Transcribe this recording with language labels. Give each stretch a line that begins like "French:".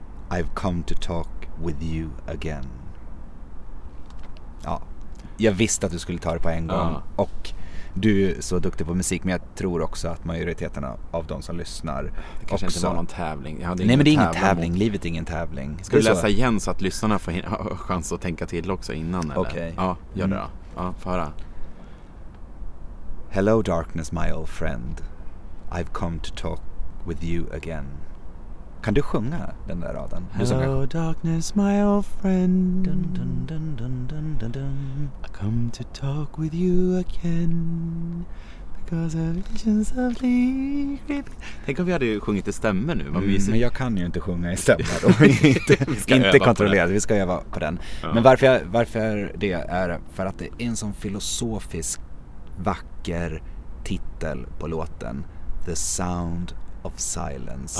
English: I've come to talk with you again.
Swedish: Ja, jag visste att du skulle ta det på en gång. Och du är så duktig på musik, men jag tror också att majoriteten av de som lyssnar det kanske också... inte var någon tävling. Jag hade nej, men det är ingen tävling. Livet är ingen tävling. Ska du läsa igen så att lyssnarna får chans att tänka till också innan? Okej. Okay. Ja, gör det då. Ja, för att...
English: Hello darkness, my old friend. I've come to talk with you again.
Swedish: Kan du sjunga den där raden?
English: Hello darkness, my old friend. Dun, dun, dun, dun, dun, dun, dun. I come to talk with you again. Because of visions of sleep.
Swedish: Tänk om vi hade sjungit i stämmer nu. Men jag kan ju inte sjunga i stämmer. Och inte kontrollera. Vi ska öva på den. Ja. Men varför det är för att det är en sån filosofisk, vacker titel på låten.
English: The Sound of Silence.